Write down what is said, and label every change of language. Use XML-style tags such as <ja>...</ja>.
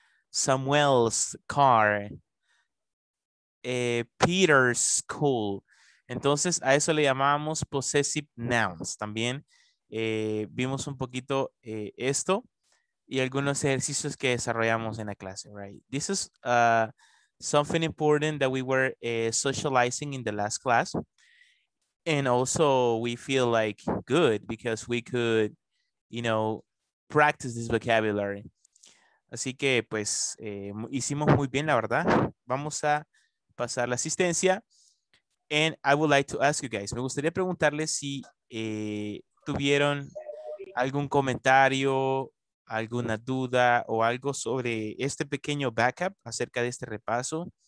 <en>Samuel's car, Peter's school.</en> <es>Entonces a eso le llamamos possessive nouns. También vimos un poquito esto y algunos ejercicios que desarrollamos en la clase, right?</es> <en>This is something important that we were socializing in the last class, and also we feel like good because we could, you know, practice this vocabulary.</en> <es>Así que, pues, hicimos muy bien, la verdad. Vamos a pasar la asistencia.</es> <en>And I would like to ask you guys.</en> <es>Me gustaría preguntarles si tuvieron algún comentario, alguna duda o algo sobre este pequeño backup acerca de este repaso.</es>